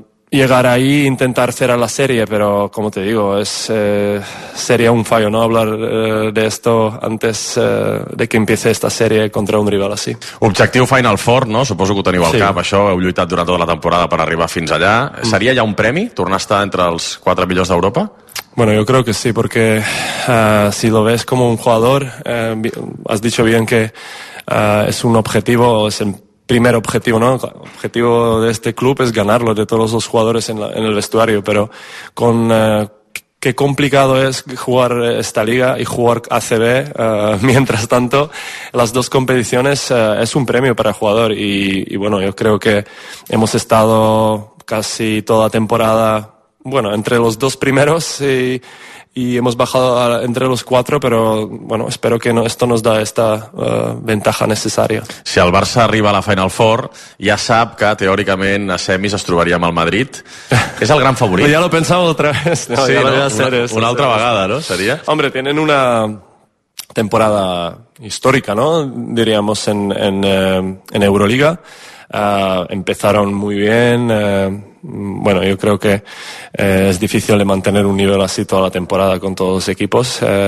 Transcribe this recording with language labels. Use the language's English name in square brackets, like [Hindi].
[Spanish] Llegar ahí e intentar cerrar la serie, pero como te digo, sería un fallo, ¿no? Hablar de esto antes de que empiece esta serie contra un rival así. [Catalan] Objectiu Final Four, no? Suposo que ho teniu al cap, això. Heu lluitat durant tota la temporada per arribar fins allà. Seria ja un premi tornar a estar entre els quatre millors d'Europa? [Spanish] Bueno, yo creo que sí, porque si lo ves como un jugador, has dicho bien que es un objetivo, es un primer objetivo, ¿no? El objetivo de este club es ganarlo, de todos los jugadores en el vestuario, pero con qué complicado es jugar esta liga y jugar ACB, mientras tanto, las dos competiciones es un premio para el jugador y bueno, yo creo que hemos estado casi toda temporada, bueno, entre los dos primeros y hemos bajado entre los cuatro, pero bueno, espero que no, esto nos da esta ventaja necesaria. [Catalan] Si el Barça arriba a la Final Four, ja sap que teòricament a semis es trobaria amb el Madrid. És el gran favorit. Ja lo pensava [Spanish] otra vez. [Catalan] No, sí, [Spanish] ya no? Lo voy a hacer, [Catalan] una altra vegada, no? Seria? [Spanish] Hombre, tienen una temporada histórica, ¿no? Diríamos en Euroliga. Empezaron muy bien. Bueno, yo creo que es difícil de mantener un nivel así toda la temporada con todos los equipos.